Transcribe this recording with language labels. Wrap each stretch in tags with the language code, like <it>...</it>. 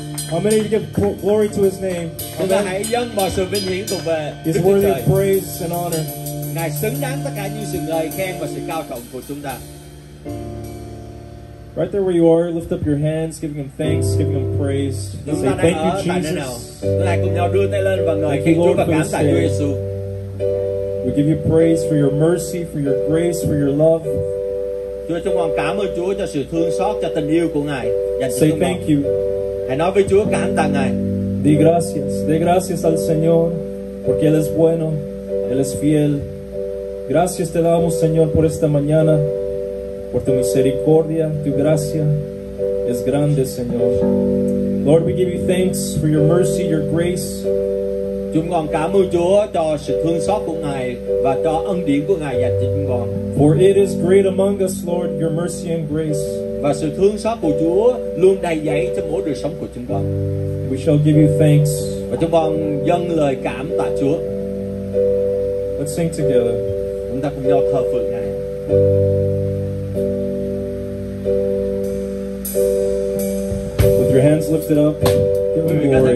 <en>How many of you give glory to His name?</en> <vi>Chúng ta hãy dâng mọi sự vinh hiển thuộc về Đức Chúa Trời.</vi> <en>Praise and honor.</en> <vi>Ngài xứng đáng tất cả những sự ngợi khen và sự cao trọng của chúng ta.</vi> <en>Right there where you are, lift up your hands, giving Him thanks, giving Him praise.</en> <vi>Chúng ta đang ở tại nơi nào? Chúng ta cùng nhau đưa tay lên và ngợi khen Chúa và cảm tạ Chúa Giêsu.</vi> <en>We give you praise for your mercy, for your grace, for your love.</en> <vi>Chúa, chúng con cảm ơn Chúa cho sự thương xót, cho tình yêu của Ngài.</vi> <en>Say thank you.</en> <vi>Hãy nói với Chúa cảm tạ Ngài.</vi> <es>De gracias al Señor, porque Él es bueno, Él es fiel. Gracias te damos, Señor, por esta mañana, por tu misericordia, tu gracia es grande, Señor.</es> <en>Lord, we give you thanks for your mercy, your grace.</en> <vi>Chúng con cảm ơn Chúa cho sự thương xót của Ngài và cho ân điển của Ngài dành cho chúng con.</vi> <en>For it is great among us, Lord, your mercy and grace.</en> <vi>Và sự thương xót của Chúa luôn đầy dẫy cho mỗi đời sống của chúng con.</vi> <en>We shall give you thanks.</en> <vi>Và chúng con dâng lời cảm tạ Chúa.</vi> <en>Let's sing together.</en> <vi>Chúng ta cùng nhau thờ phượng Ngài.</vi> <en>With your hands lifted up, give him glory.</en>